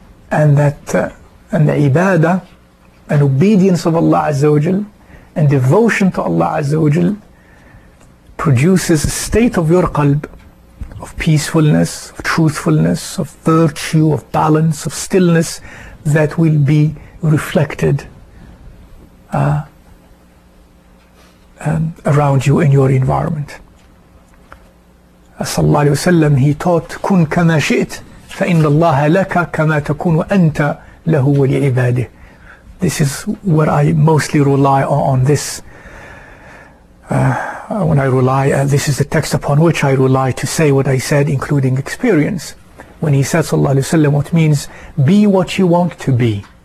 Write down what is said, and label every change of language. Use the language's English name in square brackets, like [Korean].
[English] And the ibadah and obedience of Allah Azza wa Jal and devotion to Allah Azza wa Jal produces a state of your qalb of peacefulness, of truthfulness, of virtue, of balance, of stillness that will be reflected around you in your environment. [Arabic] Sallallahu alayhi wa sallam, [English] he taught, [Arabic] كُنْ كَمَا شِئْتْ فَإِنَّ اللَّهَ لَكَ كَمَا تَكُونُ أَنْتَ لَهُ وَلِعِبَادِهِ. [English] This is where I mostly rely on this. When I rely, this is the text upon which I rely to say what I said, including experience. When he said, sallallahu alayhi wa sallam, what means, be what you want to be.